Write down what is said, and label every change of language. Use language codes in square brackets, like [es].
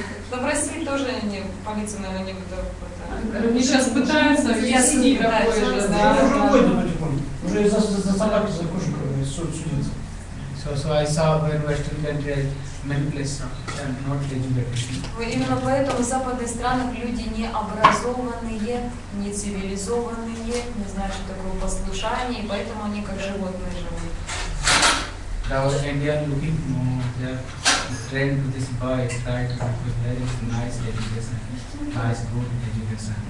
[ru] Да в России тоже не полиция, наверное, не будет. Они сейчас пытаются объяснить, какой же, да. Уже за собаку, за кошку, судится. [en] So I saw where Western countries many places are not educated. [ru] Именно поэтому в западных странах люди не образованные, не цивилизованные, не знают, что такое послушание, и поэтому они как животные живут. [en] Now Indian looking more trained to this boy, try to have a very nice education, nice good education.